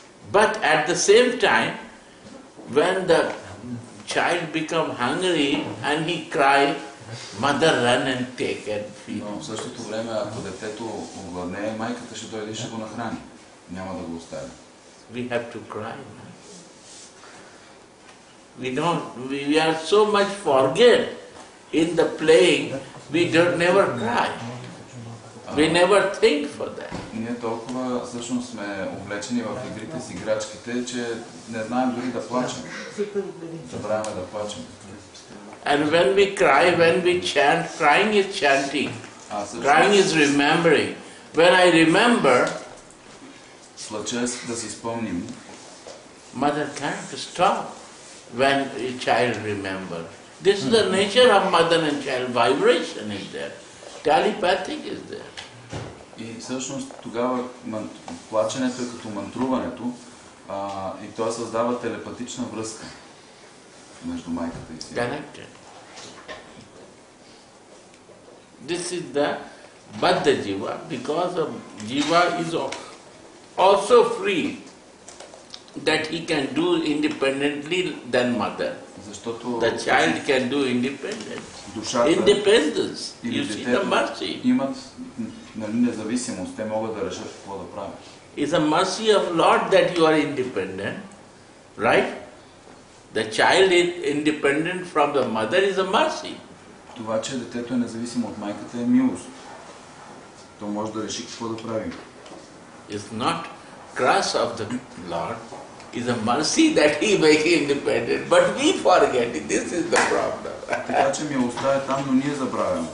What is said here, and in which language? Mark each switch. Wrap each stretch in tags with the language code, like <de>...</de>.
<en>But at the same time, when the child become hungry and he cry, mother run and take and feed.</en> <bg>Но в същото време, ако детето огладне, майката ще дойде и ще го нахрани. Няма да го остави.</bg> <en>We have to cry. We don't. We are so much forget in the playing. We don't never cry. We never think for that.</en> <bg>Ние толкова всъщност сме увлечени в игрите с играчките, че не знаем дори да плачем. Забравяме да плачем.</bg> <en>And when we cry, when we chant, crying is chanting. Crying is remembering. When I remember,</en> <bg>плачеш да си спомним.</bg> <en>Mother can't stop when a child remember. This is the nature of mother and child vibration is there. Telepathic is there.</en> <bg>И всъщност тогава плаченето е като мантруването, и то създава телепатична връзка между майката и сина.</bg> <en>This is the Baddha Jiva, because of Jiva is also free that he can do independently than mother.</en> <bg>Защото</bg> <en>the child can do independently. Independence. You see the mercy.</en> <bg>Имат независимост, те могат да решат какво да правят.</bg> <en>It's a mercy of Lord that you are independent, right? The child is independent from the mother is a mercy.</en> <bg>Това, че детето е независимо от майката, е милост. То може да реши какво да прави.</bg> <en>It's not cross of the Lord. It's a mercy that he make independent. But we forget it. This is the problem.</en> <bg>Така, че милостта е там, но ние забравяме.</bg>